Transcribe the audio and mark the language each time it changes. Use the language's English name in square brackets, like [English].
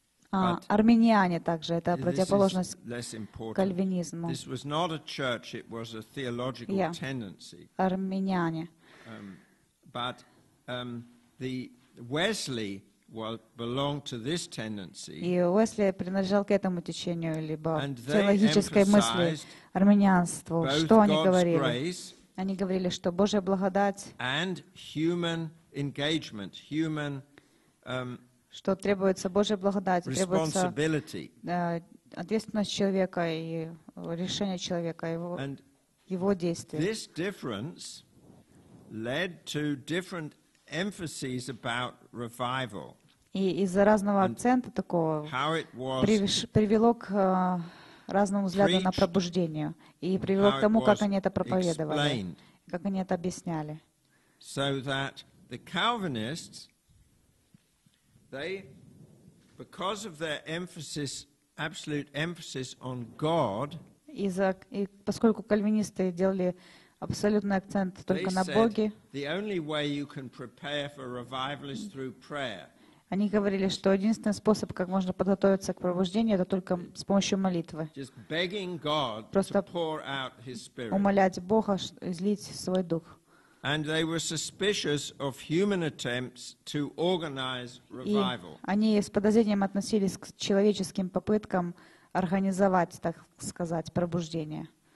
[Russian] Армениане также, это противоположность кальвинизму. [English] This was not a church, it was a theological tendency. [Russian] Армениане. [English] But the Wesley belonged to this tendency. [Russian] И Уэсли принадлежал к этому течению либо теологической мысли армянианству. Что они говорили? Они говорили, что Божья благодать [English] and human engagement, human [Russian] что требуется Божья благодать, требуется ответственность человека и решение человека, его действия. [English] This difference led to different emphases about revival. [Russian] И из-за разного акцента такого привело к разному взгляду на пробуждение и привело к тому, как они это проповедовали, как они это объясняли. [English] So that the Calvinists, they, because of their emphasis, absolute emphasis on God, [Russian] и поскольку кальвинисты делали абсолютный акцент только на Боге, [English] the only way you can prepare for revival is through prayer. [Russian] Они говорили, что единственный способ, как можно подготовиться к пробуждению, это только с помощью молитвы. Просто умолять Бога излить свой дух. [English] And they were suspicious of human attempts to organize revival. [Russian] И они с подозрением относились к человеческим попыткам организовать, так сказать, пробуждение.